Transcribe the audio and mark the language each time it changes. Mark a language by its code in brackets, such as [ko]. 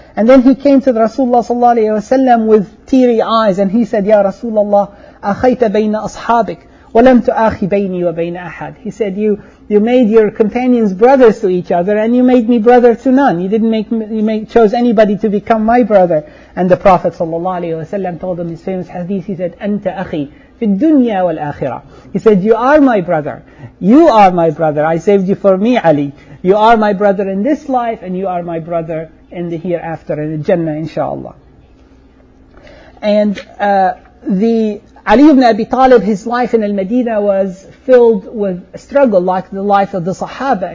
[en] And then he came to the Rasulullah sallallahu alayhi wa sallam with teary eyes, and he said, "Ya Rasulullah, [ar] أخيت بين أصحابك ولم تأخي بيني وبين أحد." [en] He said, "You made your companions brothers to each other, and you made me brother to none. You didn't make me, chose anybody to become my brother." And the Prophet sallallahu alaihi wasallam told him his famous hadith. He said, [ar] "أنت أخي في الدنيا والآخرة." [en] He said, "You are my brother. You are my brother. I saved you for me, Ali. You are my brother in this life, and you are my brother in the hereafter, in the Jannah, inshallah." And the Ali ibn Abi Talib, his life in Al-Madinah was filled with struggle like the life of the Sahaba.